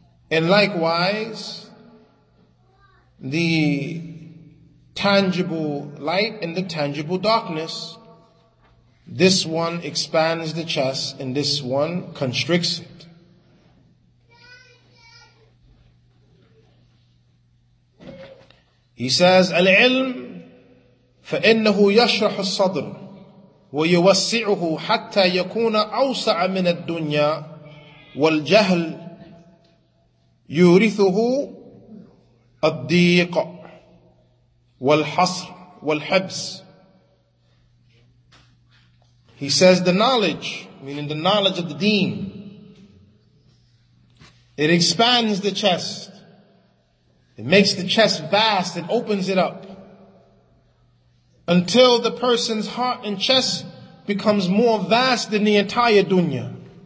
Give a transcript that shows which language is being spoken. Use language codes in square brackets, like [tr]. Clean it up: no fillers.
[en] And likewise, the tangible light and the tangible darkness. This one expands the chest and this one constricts it. He says, [ar] العلم فإنه يشرح الصدر ويوسعه حتى يكون أوسع من الدنيا والجهل يورثه الضيق والحصر والحبس. [en] He says the knowledge, meaning the knowledge of the deen, it expands the chest. It makes the chest vast and opens it up until the person's heart and chest becomes more vast than the entire dunya.